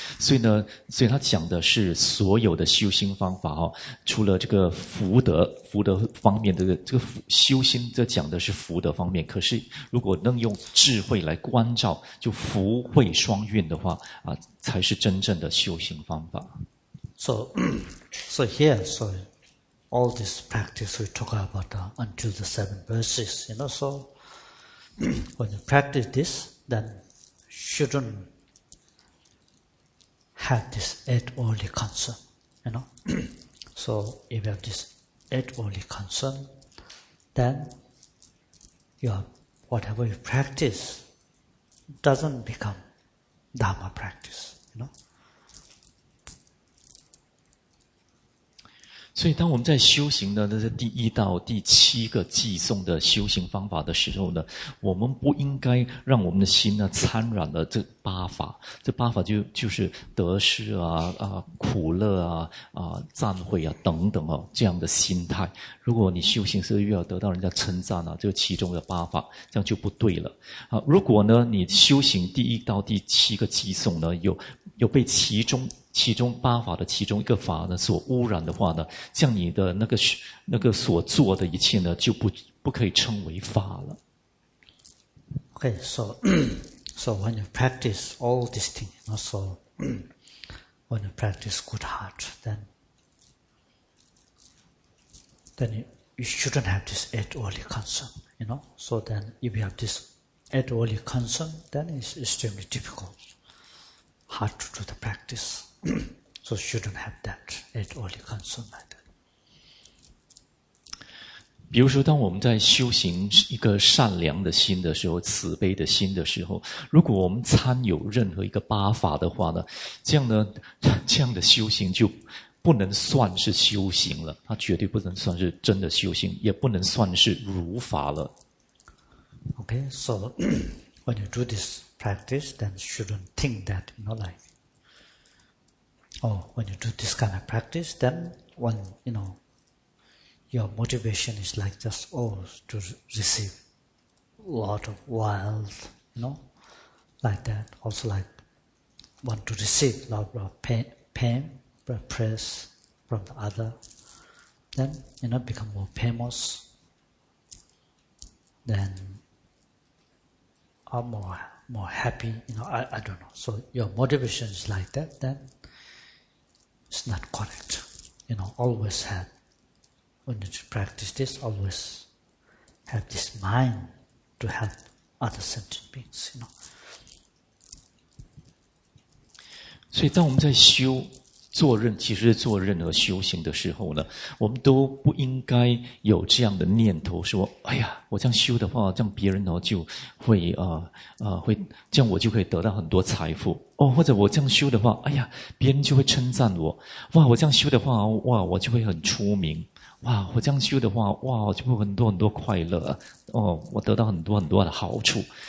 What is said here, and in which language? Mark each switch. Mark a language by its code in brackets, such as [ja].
[zh] 所以呢，所以他讲的是所有的修心方法哦，除了这个福德，福德方面的这个修心，这讲的是福德方面。可是如果能用智慧来关照，就福慧双运的话啊，才是真正的修心方法。 [en] So here, so all this practice we talk about until the seven verses, you know, so. When you practice this, then shouldn't have this eight worldly concern, you know. So if you have this eight worldly concern, then your whatever you practice doesn't become Dharma practice, you know. [zh] 所以当我们在修行的那些第一到第七个偈颂的修行方法的时候呢，我们不应该让我们的心呢参染了这八法。这八法就是得失啊啊苦乐啊啊赞悔啊等等哦，这样的心态。如果你修行是又要得到人家称赞啊，这个其中的八法，这样就不对了。如果呢你修行第一到第七个偈颂呢有被其中八法的其中一个法呢所污染的话呢，像你的那个所做的一切呢就不可以称为法了。 [en] Okay, so when you practice all these things, you know, so when you practice good heart, then you shouldn't have this eight worldly concern, you know. So then if you have this eight worldly concern, then it's extremely difficult hard to do the practice. So shouldn't have that at all concern like that. [zh] 比如说，当我们在修行一个善良的心的时候，慈悲的心的时候，如果我们参有任何一个八法的话呢，这样的修行就不能算是修行了，它绝对不能算是真的修行，也不能算是如法了。 [en] Okay, so when you do this practice, then shouldn't think that, you know, like. Oh, when you do this kind of practice, then when, you know, your motivation is like just, oh, to receive a lot of wealth, you know, like that. Also like, want to receive a lot of pain, praise from the other. Then, you know, become more famous. Then, are more happy, you know, I don't know. So your motivation is like that, then,It's not correct. You know, always have, when you practice this, always have this mind to help other sentient beings, you know. [zh] 所以当我们在修做任，其实做任何修行的时候呢，我们都不应该有这样的念头说，哎呀，我这样修的话，这样别人就会会这样，我就可以得到很多财富哦，或者我这样修的话，哎呀，别人就会称赞我，哇，我这样修的话，哇，我就会很出名，哇，我这样修的话，哇，就会很多很多快乐哦，我得到很多很多的好处。